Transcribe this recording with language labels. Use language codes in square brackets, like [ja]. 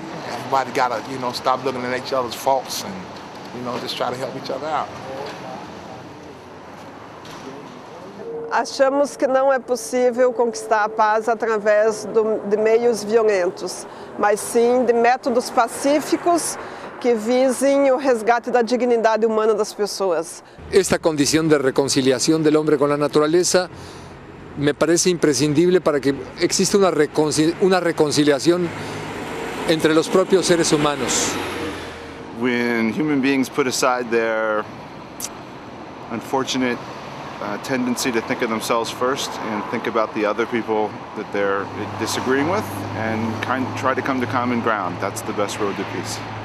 [en] Everybody gotta, you know, stop looking at each other's faults and, you know, just try to help each other out. [pt] Achamos que não é possível conquistar a paz através de meios violentos, mas sim de métodos pacíficos que visem o resgate da dignidade humana das pessoas. Esta condição de reconciliação do homem com a natureza me parece imprescindível para que exista uma reconciliação entre [es] los propios [pt] seres humanos. [en] When human beings put aside their unfortunate tendency to think of themselves first and think about the other people that they're disagreeing with and kind of try to come to common ground, that's the best road to peace.